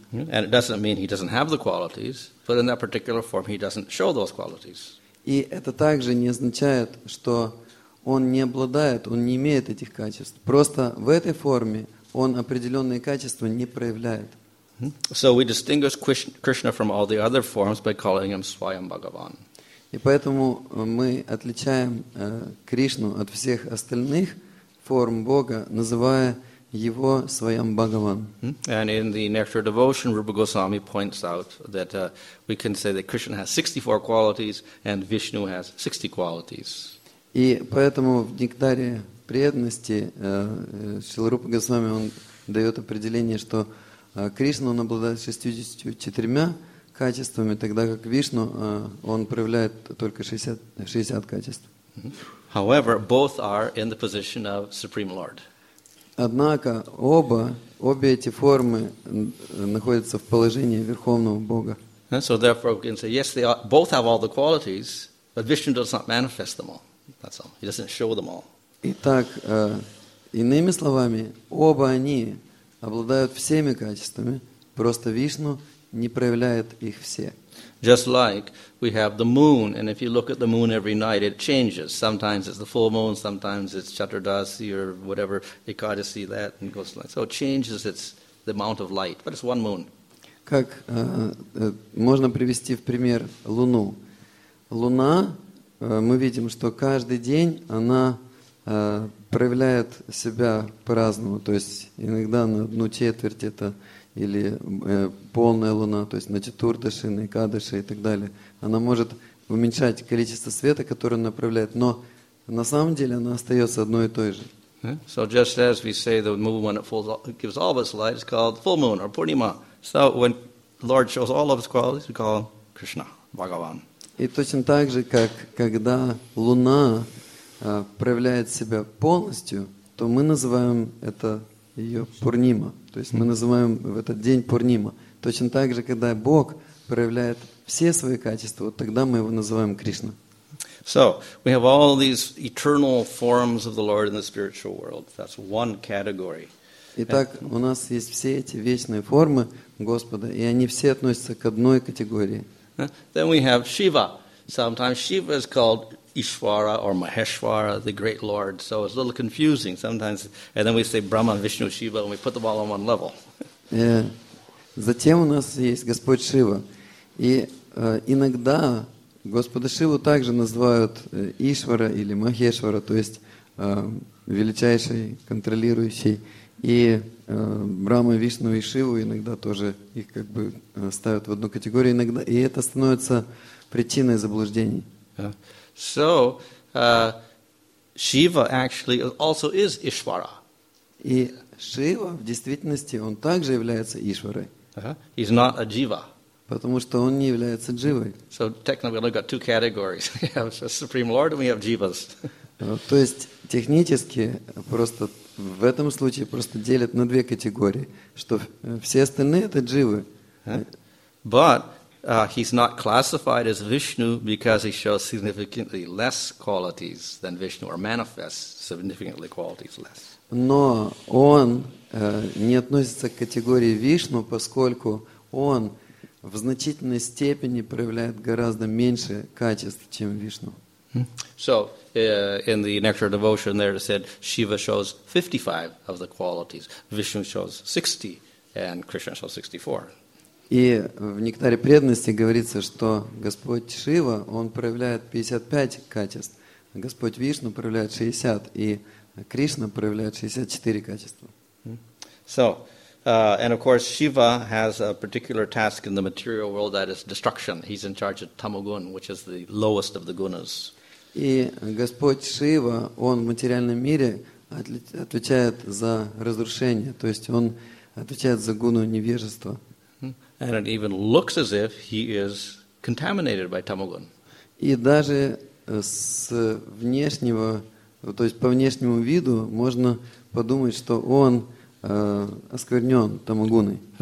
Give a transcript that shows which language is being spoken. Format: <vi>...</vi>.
<en>And it doesn't mean he doesn't have the qualities, but in that particular form he doesn't show those qualities.</en> <ru>И это также не означает, что он не обладает, он не имеет этих качеств. Просто в этой форме он определенные качества не проявляет.</ru> <en>So we distinguish Krishna from all the other forms by calling him Swayam Bhagavan.</en> <ru>И поэтому мы отличаем Кришну от всех остальных форм Бога, называя его Swayam Bhagavan.</ru> <en>And in the Nectar Devotion, Rupa Goswami points out that we can say that Krishna has 64 qualities and Vishnu has 60 qualities.</en> <ru>И поэтому в Нектаре преданности Шрила Рупа Госвами он дает определение, что Кришна он обладает 64 качествами, тогда как Вишну он проявляет только 60 качеств.</ru> <en>However, both are in the position of Supreme Lord.</en> <ru>Однако обе эти формы находятся в положении Верховного Бога.</ru> <en>And so therefore we can say, yes, they are, both have all the qualities, but Vishnu does not manifest them all. That's all. He doesn't show them all.</en> <ru>Итак, иными словами, оба они обладают всеми качествами, просто Вишну не проявляет их все.</ru> <en>Just like we have the moon, and if you look at the moon every night, it changes. Sometimes it's the full moon, sometimes it's Chaturdasi or whatever, Ekadasi, that, and goes like, so it changes its, the amount of light, but it's one moon.</en> <ru>Как можно привести в пример Луну? Луна, мы видим, что каждый день она проявляет себя по-разному. То есть иногда на одну четверть это или полная луна, то есть на четвертыши, на кадыши и так далее. Она может уменьшать количество света, которое она направляет, но на самом деле она остается одной и той же.</ru> <en>So just as we say the moon when it falls, gives all of its light, it's called full moon or Purnima. So when Lord shows all of his qualities, we call Krishna, Bhagavan.</en> <ru>И точно так же, как когда луна проявляет себя полностью, то мы называем это ее Пурнима. То есть мы называем в этот день Пурнима. Точно так же, когда Бог проявляет все свои качества, вот тогда мы его называем Кришна.</ru> <en>So we have all these eternal forms of the Lord in the spiritual world. That's one category.</en> <ru>Итак, у нас есть все эти вечные формы Господа, и они все относятся к одной категории.</ru> <en>Then we have Shiva. Sometimes Shiva is called Ishvara or Maheshvara, the great Lord. So it's a little confusing sometimes. And then we say Brahma, Vishnu, Shiva, and we put them all on one level.</en> <ru>Затем у нас есть Господь Шива. И иногда Господа Шиву также называют Ишвара или Махешвара, то есть величайший, контролирующий. И Брама, Вишну и Шиву иногда тоже их как бы ставят в одну категорию. Иногда, и это становится причиной заблуждений.</ru> <en>So, Shiva actually also is Ishvara.</en> <ru>И Шива в действительности, он также является Ишварой.</ru> <en>He's not a Jiva.</en> <ru>Потому что он не является Дживой.</ru> <en>So technically we've got two categories. We have the Supreme Lord and we have Jivas.</en> <ru>То есть технически просто в этом случае просто делят на две категории, что все остальные это Дживы.</ru> <en>But he's not classified as Vishnu because he shows significantly less qualities than Vishnu or manifests significantly qualities less.</en> <ru>Но он не относится к категории Вишну, поскольку он в значительной степени проявляет гораздо меньше качеств, чем Вишну.</ru> <en>So, in the Nectar Devotion there it said, Shiva shows 55 of the qualities, Vishnu shows 60, and Krishna shows 64.</en> <ru>И в Нектаре Преданности говорится, что Господь Шива, он проявляет 55 качеств, Господь Вишну проявляет 60, и Кришна проявляет 64 качества.</ru> <en>So, and of course, Shiva has a particular task in the material world, that is destruction. He's in charge of tamogun, which is the lowest of the gunas.</en> <ru>И Господь Шива, он в материальном мире отвечает за разрушение, то есть он отвечает за гуну невежества.</ru> <en>And it even looks as if he is contaminated by tamogun.</en> <ru>И даже с внешнего, то есть по внешнему виду, можно подумать, что он осквернен тамогуной.</ru>